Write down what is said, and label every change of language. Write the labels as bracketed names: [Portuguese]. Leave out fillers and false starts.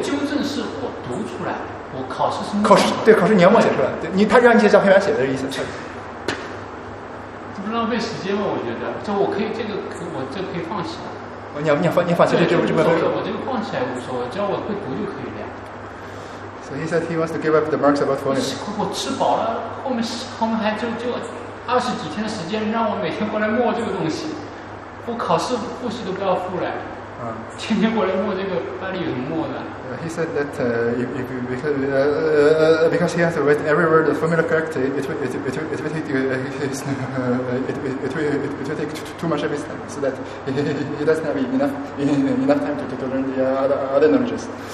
[Chinese] 纠正是我读出来的，我考试是考试，对，考试你要默写出来，对，你他让你写小黑板写的意思。这不浪费时间吗？我觉得，这我可以，这个我这可以放弃。你放弃，对，这不说了，我这个放弃还无所谓，只要我会读就可以了。 [English] So he said he wants to give up the marks about 20. [Chinese] 我吃饱了，后面还就二十几天的时间，让我每天过来默这个东西，我考试复习都不要复了。天天过来默这个，班里有什么默的？ [English] He said that because he has to write every word of formula correctly, it will take too much of his time, so that he doesn't have enough time to learn the other knowledges.